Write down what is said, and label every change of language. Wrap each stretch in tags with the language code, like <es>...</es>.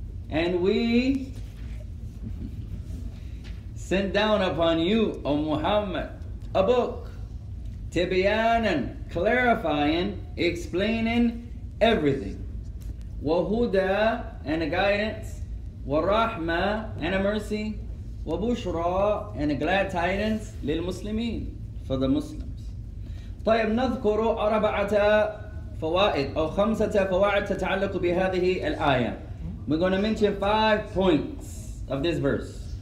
<en>And we sent down upon you, O Muhammad, a book, tibyanan, clarifying, explaining everything, wa huda, and a guidance, wa rahma, and a mercy, wa bushra, and a glad tidings lil muslimin, for the Muslims.</en> <ar>طيب نذكر أربعة فوائد أو خمسة فوائد تتعلق بهذه الآية.</ar> <en>We're going to mention 5 points of this verse.</en>